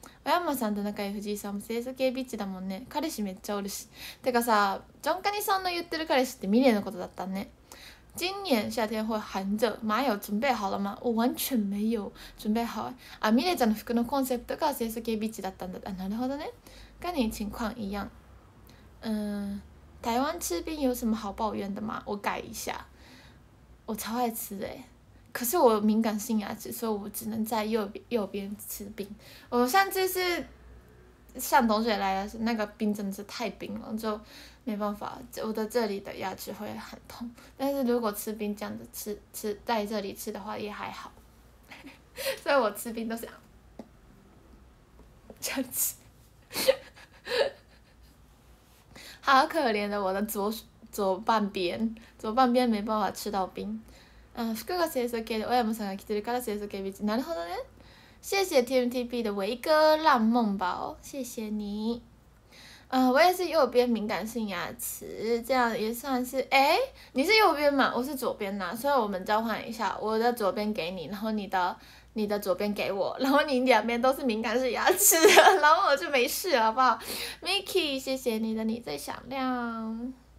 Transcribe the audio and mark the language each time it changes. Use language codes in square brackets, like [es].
[ja] 小山さんと仲良い藤井さんも清楚系ビッチだもんね。彼氏めっちゃおるし。てかさ、ジョンカニさんの言ってる彼氏ってミレのことだったね。 [zh] 今年夏天会很热，麻友准备好了吗？我完全没有准备好。 [ja] あ、ミレちゃんの服のコンセプトが清楚系ビッチだったんだ。あ、なるほどね。 [zh] 跟你情况一样。台湾吃冰有什么好抱怨的吗？我改一下。我超爱吃的，可是我敏感性牙齿，所以我只能在右边吃冰。我上次是上同学来的时候，那个冰真的是太冰了，就没办法，我的这里的牙齿会很痛。但是如果吃冰这样子吃在这里吃的话也还好，所以我吃冰都是这样吃，好可怜的我的左半边，左半边没办法吃到冰。 [ja] 服が清楚系で小山さんが着てるから清楚系ビッチ。なるほどね。 [zh] 谢谢 TMTP 的维哥浪梦宝，谢谢你。我也是右边敏感性牙齿，这样也算是你是右边嘛？我是左边呐，所以我们交换一下，我的左边给你，然后你的左边给我，然后你两边都是敏感性牙齿，然后我就没事了，好不好 ？Miki， 谢谢你的你最响亮。